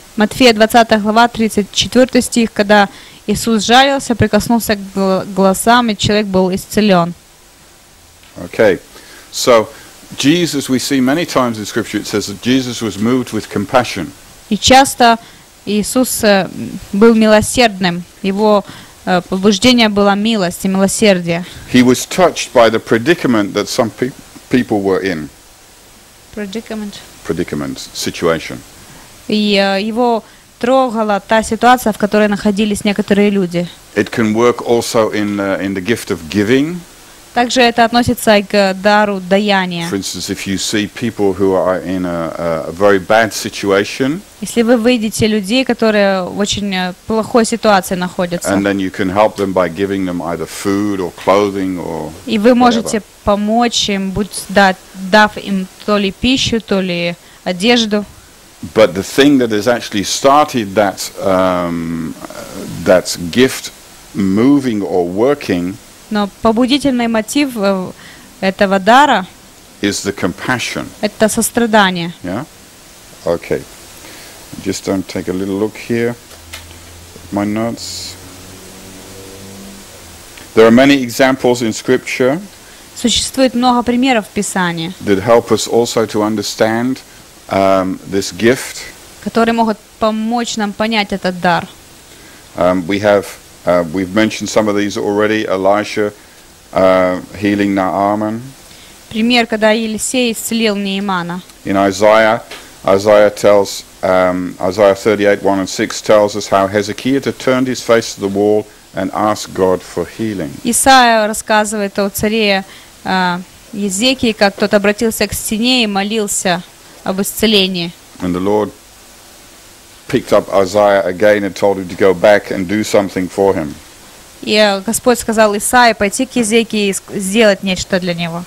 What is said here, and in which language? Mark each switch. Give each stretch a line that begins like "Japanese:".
Russian: Матфея 20, глава 34 стих, когда Иисус жалился, прикоснулся к глазам, и человек был исцелен.
English: Okay. So, Jesus, we see many times in Scripture, it says that Jesus was moved with compassion.
Russian: И часто Иисус был милосердным. Его побуждение было милость и милосердие.
English: He was touched by the predicament that some people were in. Predicament. Predicament. Situation.
Russian: И его трогала та ситуация, в которой находились некоторые люди.
English: It can work also in the gift of giving.
Russian: Также это относится и к дару даяния.
English: For instance, if you see people who are in a very bad situation.
Russian: Если вы видите людей, которые в очень плохой ситуации находятся.
English: And then you can help them by giving them either food or clothing or.
Russian: И вы можете помочь им, дав им то ли пищу, то ли одежду.
English: But the thing that has actually started that that gift moving or working.
Russian: Но побудительный мотив этого дара.
English: Is the compassion.
Russian: Это сострадание.
English: Yeah. Okay. Just don't take a little look here. My notes. There are many examples in Scripture.
Russian: Существует много примеров в Писании.
English: That help us also to understand. This gift.
Russian: Которые могут помочь нам понять этот дар.
English: We've mentioned some of these already. Elisha healing Naaman.
Russian: Пример, когда Елисей исцелил Неймана.
English: In Isaiah, Isaiah 38:1-6 tells us how Hezekiah turned his face to the wall and asked God for healing.
Russian: Исаия рассказывает о царе Езекии, как тот обратился к стене и молился. Об исцелении.
English: And the Lord picked up Isaiah again and told him to go back and do something for him.
Russian: И Господь сказал Исаии пойти к Езекии и сделать нечто для него.